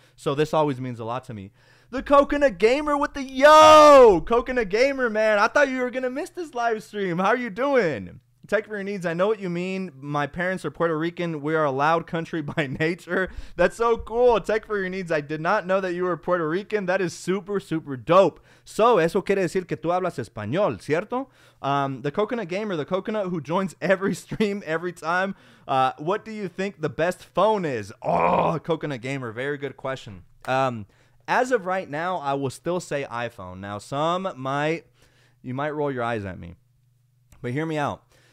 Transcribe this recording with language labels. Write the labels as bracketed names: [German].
[English] So this always means a lot to me. The Coconut Gamer with the yo! Coconut Gamer, man. I thought you were going to miss this live stream. How are you doing? Tech for your needs. I know what you mean. My parents are Puerto Rican. We are a loud country by nature. That's so cool. Tech for your needs. I did not know that you were Puerto Rican. That is super, super dope. [Spanish] So, eso quiere decir que tú hablas español, ¿cierto? [English] The coconut gamer, the coconut who joins every stream every time. What do you think the best phone is? Oh, coconut gamer. Very good question. As of right now, I will still say iPhone. Now, you might roll your eyes at me, but hear me out.